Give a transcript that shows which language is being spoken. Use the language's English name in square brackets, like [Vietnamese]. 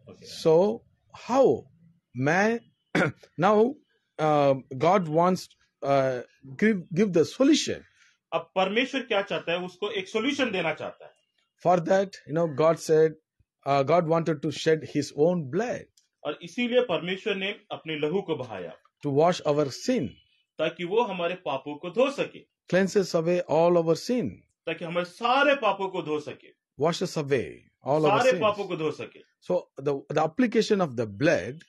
[English] So how man now God wants give the solution. [Hindi] अब परमेश्वर क्या चाहता है? उसको एक solution देना चाहता है. [English] For that, you know, God said God wanted to shed His own blood. [Hindi] और इसीलिए परमेश्वर ने अपने लहू को बहाया. [English] To wash our sin. [Hindi] ताकि वो हमारे पापों को धो सके. [English] Cleanses away all our sin. [Hindi] ताकि हमारे सारे पापों को धो सके. [English] Washes away. [Hindi] सारे पापों को धो सके. [English] So the application of the blood.